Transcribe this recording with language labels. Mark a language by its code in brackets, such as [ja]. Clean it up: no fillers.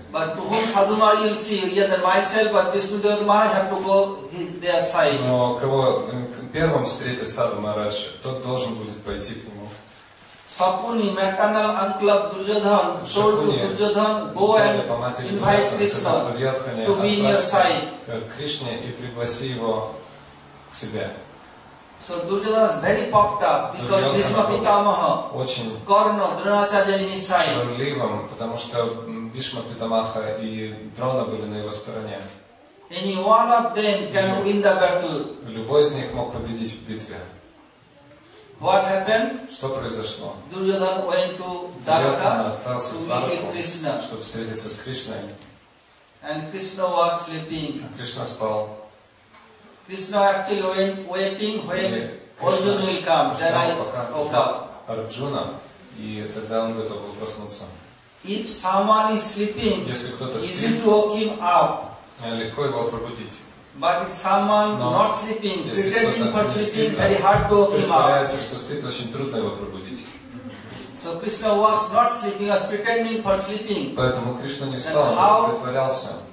[en] But to whom Sadhu Maharaja will see, either myself or Vishnudevata Maharaja have to go his, their side. [ru] Но кого первым встретит Саду Махарадж, тот должен будет пойти к нему. [en] Shakuni, maternal uncle of Duryodhan, told to Duryodhan, go and invite Krishna to be in your side. [ru] Кришне и пригласи его к себе. [en] So Duryodhana is very puffed up because Bhishma Pitamaha, Karna, Dronacharya in his side. [ru] Шурливым, потому что Бхишма Питамаха и Дрона были на его стороне. [en] Any one of them can win the battle. [ru] Любой из них мог победить в битве. [en] What happened? [ru] Что произошло? [en] Duryodhana went to Dwarka to meet with Krishna. [ru] Чтобы встретиться с Кришной. [en] And Krishna was sleeping. [ru] Кришна спал. [en] Krishna actually went waiting when Arjuna will come. Then I woke up. [ru] Арджуна, и тогда он готов был проснуться. [en] If someone is sleeping, [ru] если кто-то спит, [en] is it to wake him up? [ru] Легко его пробудить. [en] But if someone [ru] Но [en] not sleeping, pretending for sleeping, very hard to wake him up. [ru] Притворяется, что спит, очень трудно его пробудить. [en] So Krishna was not sleeping, was pretending for sleeping. [ru] Поэтому Кришна не спал, он притворялся.